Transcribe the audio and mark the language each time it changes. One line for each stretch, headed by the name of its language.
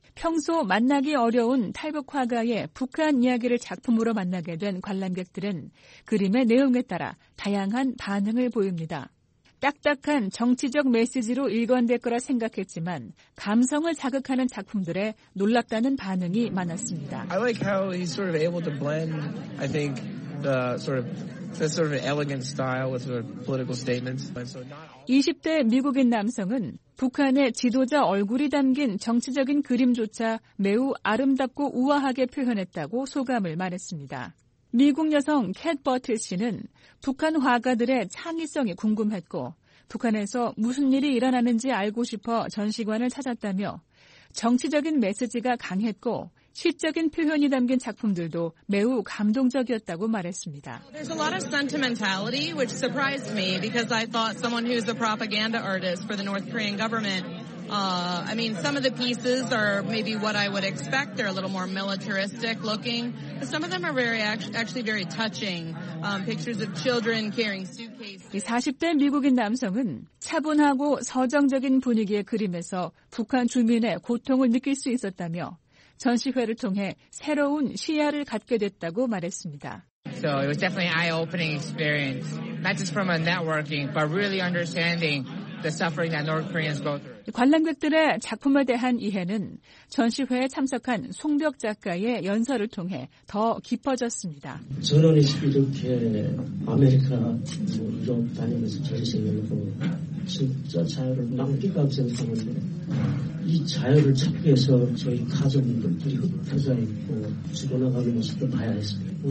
Korean: 평소 만나기 어려운 탈북화가의 북한 이야기를 작품으로 만나게 된 관람객들은 그림의 내용에 따라 다양한 반응을 보입니다. 딱딱한 정치적 메시지로 일관될 거라 생각했지만 감성을 자극하는 작품들에 놀랍다는 반응이 많았습니다.
English: I like how he's sort of able to blend, I think, the sort of this sort of elegant style with sort of political statements.
Korean: 20대 미국인 남성은 북한의 지도자 얼굴이 담긴 정치적인 그림조차 매우 아름답고 우아하게 표현했다고 소감을 말했습니다. 미국 여성 캣 버틀 씨는 북한 화가들의 창의성이 궁금했고 북한에서 무슨 일이 일어나는지 알고 싶어 전시관을 찾았다며 정치적인 메시지가 강했고 시적인 표현이 담긴 작품들도 매우 감동적이었다고 말했습니다.
English: There's a lot of sentimentality which surprised me because I thought someone who's a propaganda artist for the North Korean government some of the pieces are maybe what I would expect. They're a little more militaristic looking. Some of them are very actually very touching. Pictures of children carrying suitcases.
Korean: 40대 미국인 남성은 차분하고 서정적인 분위기의 그림에서 북한 주민의 고통을 느낄 수 있었다며 전시회를 통해 새로운 시야를 갖게 됐다고 말했습니다.
English: So it was definitely an eye-opening experience. Not just from a networking, but really understanding the suffering that North Koreans go through.
Korean: 관람객들의 작품에 대한 이해는 전시회에 참석한 송벽 작가의 연설을 통해 더 깊어졌습니다. 저는 이렇게 아메리카 뭐 유럽 다니면서 전시회를 보고 진짜 자유를 낭비가 없었는데 이 자유를 찾기 위해서 저희 가족들이 회사 있고 죽어나가는 모습을 봐야 했습니다.